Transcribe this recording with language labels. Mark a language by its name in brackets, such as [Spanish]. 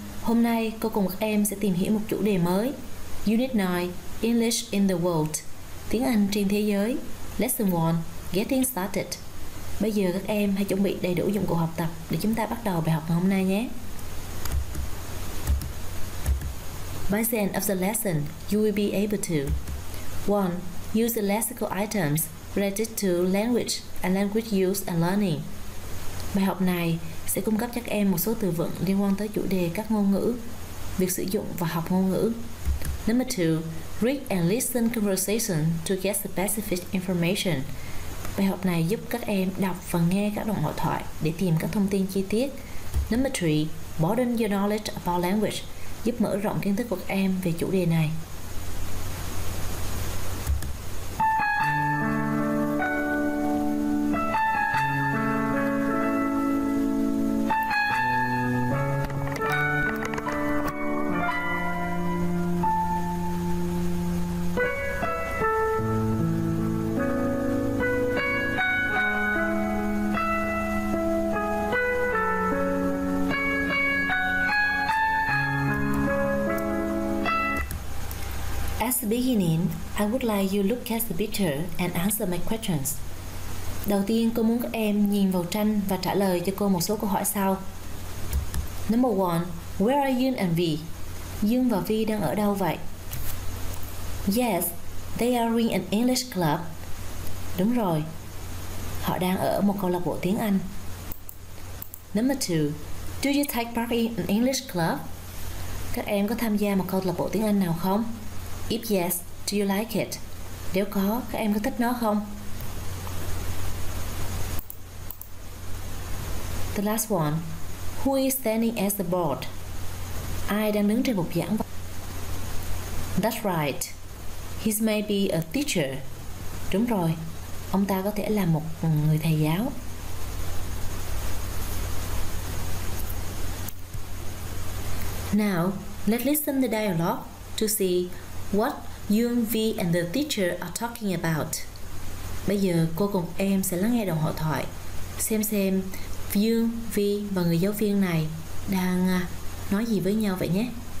[Vietnamese] Hôm nay, cô cùng các em sẽ tìm hiểu một chủ đề mới. [English] Unit 9, English in the World. [Vietnamese] Tiếng Anh trên thế giới. [English] Lesson 1, Getting Started. [Vietnamese] Bây giờ các em hãy chuẩn bị đầy đủ dụng cụ học tập để chúng ta bắt đầu bài học ngày hôm nay nhé. [English] By the end of the lesson, you will be able to 1. Use the lexical items related to language and language use and learning. [Vietnamese] Bài học này sẽ cung cấp cho các em một số từ vựng liên quan tới chủ đề các ngôn ngữ, việc sử dụng và học ngôn ngữ. [English] Number 2. Read and listen conversation to get specific information. [Vietnamese] Bài học này giúp các em đọc và nghe các đoạn hội thoại để tìm các thông tin chi tiết. [English] Number 3. Broaden your knowledge about language. [Vietnamese] Giúp mở rộng kiến thức của các em về chủ đề này. [English] Beginning, I would like you look at the picture and answer my questions. [Vietnamese] Đầu tiên, cô muốn các em nhìn vào tranh và trả lời cho cô một số câu hỏi sau. [English] Number 1. Where are Yun and Vi? [Vietnamese] Yun và Vi đang ở đâu vậy? [English] Yes, they are in an English club. [Vietnamese] Đúng rồi, họ đang ở một câu lạc bộ tiếng Anh. [English] Number 2. Do you take part in an English club? [Vietnamese] Các em có tham gia một câu lạc bộ tiếng Anh nào không? [English] If yes, do you like it? [Vietnamese] Nếu có, các em có thích nó không? [English] The last one. Who is standing at the board? [Vietnamese] Ai đang đứng trên bục giảng? [English] That's right. He may be a teacher. [Vietnamese] Đúng rồi. Ông ta có thể là một người thầy giáo. [English] Now, let's listen to the dialogue to see what Yun, Vi and the teacher are talking about. [Vietnamese] Bây giờ cô cùng em sẽ lắng nghe đoạn hội thoại, xem Yun, Vi và người giáo viên này đang nói gì với nhau vậy nhé.